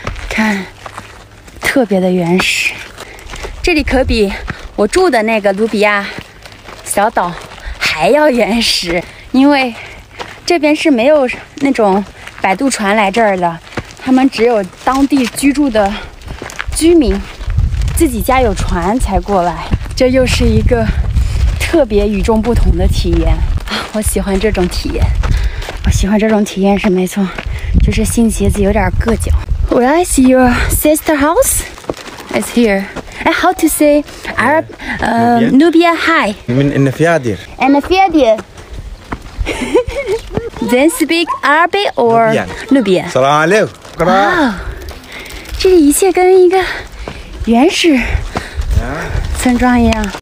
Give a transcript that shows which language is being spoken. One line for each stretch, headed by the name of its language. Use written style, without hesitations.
Chinese: 看，特别的原始，这里可比我住的那个努比亚小岛还要原始，因为这边是没有那种摆渡船来这儿的，他们只有当地居住的居民自己家有船才过来。这又是一个特别与众不同的体验啊！我喜欢这种体验，我喜欢这种体验是没错，就是新鞋子有点硌脚。
English: Will I see your sister house? It's here. And how to say Arab Nubia hi? You mean in the Fiadir? In the Fiadir. Then speak Arabic or Nubia?
Arabic: Salam aleikum.
Chinese: Wow, 这里一切跟一个原始村庄一样。